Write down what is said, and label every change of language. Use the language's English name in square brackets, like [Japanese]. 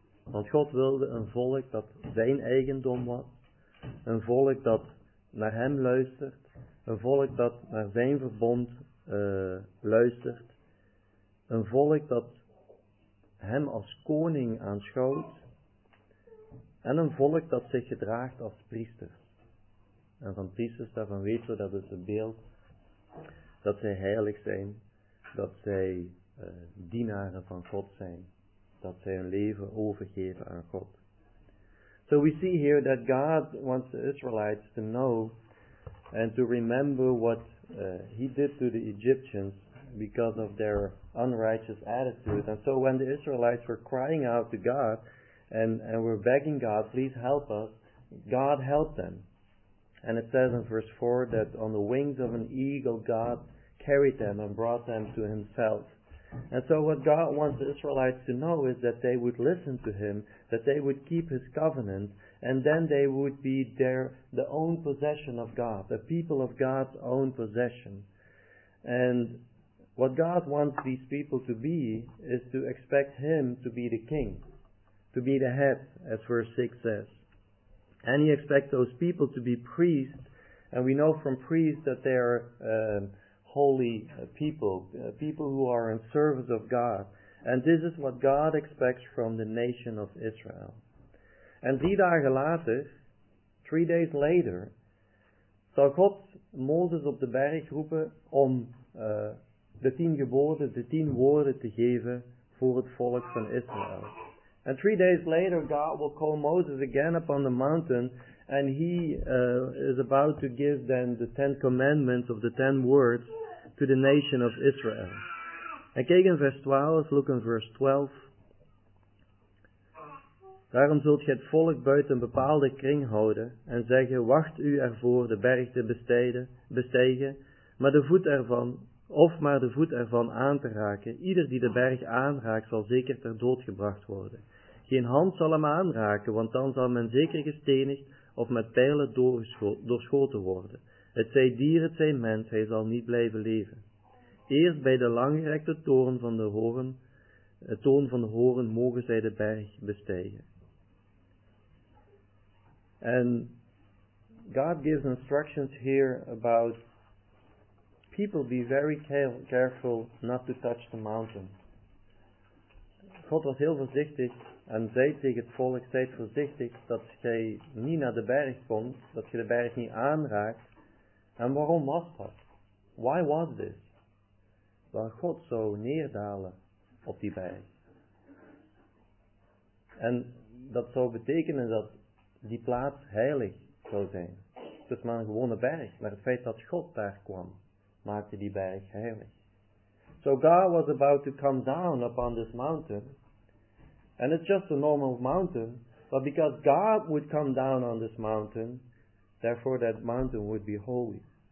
[Dutch] Want God wilde een volk dat zijn eigendom was, een volk dat naar hem luistert, een volk dat naar zijn verbond luistert, een volk dat hem als koning aanschouwt en een volk dat zich gedraagt als priester. En van priesters daarvan weten we dat het een beeld dat zij heilig zijn, dat zij dienaren van God zijn, dat zij hun leven overgeven aan God. [English] So we see here that God wants the Israelites to know and to remember what he did to the Egyptians because of their unrighteous attitude. And so when the Israelites were crying out to God and were begging God, please help us, God helped them. And it says in verse 4 that on the wings of an eagle, God carried them and brought them to himself. And so what God wants the Israelites to know is that they would listen to him, that they would keep his covenant, and then they would be the own possession of God, the people of God's own possession. And what God wants these people to be is to expect him to be the king, to be the head, as verse 6 says. And he expects those people to be priests, and we know from priests that they are holy people who are in service of God. And this is what God expects from the nation of Israel. And 3 days later, [Dutch] zal God Mozes op de berg roepen om de 10 geboden, de 10 woorden te geven voor het volk van Israël. [English] And 3 days later, God will call Moses again upon the mountain, and he is about to give them the 10 commandments of the 10 words to the nation of Israel. [Dutch] En kijk in vers 12, [English] look in verse 12. [Dutch] Daarom zult gij het volk buiten een bepaalde kring houden, en zeggen, wacht u ervoor de berg te bestijgen, maar de voet ervan, of maar de voet ervan aan te raken. Ieder die de berg aanraakt, zal zeker ter dood gebracht worden. Geen hand zal hem aanraken, want dan zal men zeker gestenigd of met pijlen doorschoten worden. Het zij dier, het zij mens, hij zal niet blijven leven. Eerst bij de langgerekte toren van de horen, mogen zij de berg bestijgen. [English] En God gives instructions here about people be very careful not to touch the mountain. [Dutch] God was heel voorzichtig en zei tegen het volk, zei voorzichtig dat gij niet naar de berg komt, dat je de berg niet aanraakt. En waarom was dat? [English] Why was this? [Dutch] Waar God zou neerdalen op die berg. En dat zou betekenen dat die plaats heilig zou zijn. Het is maar een gewone berg, maar het feit dat God daar kwam, maakte die berg heilig. [English] So God was about to come down upon this mountain, and it's just a normal mountain, but because God would come down on this mountain, therefore that mountain would be holy.